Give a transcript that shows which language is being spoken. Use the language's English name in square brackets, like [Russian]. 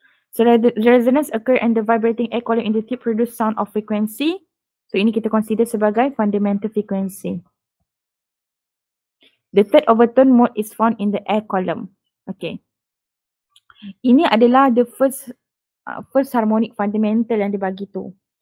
[English] So the resonance occur and the vibrating air column in the tube produce sound of frequency. [Indonesian] So ini kita consider sebagai fundamental frequency. [English] The third overtone mode is found in the air column. Okay. [Indonesian] Ini adalah [English] the first harmonic fundamental [Indonesian] yang dia bagi tu.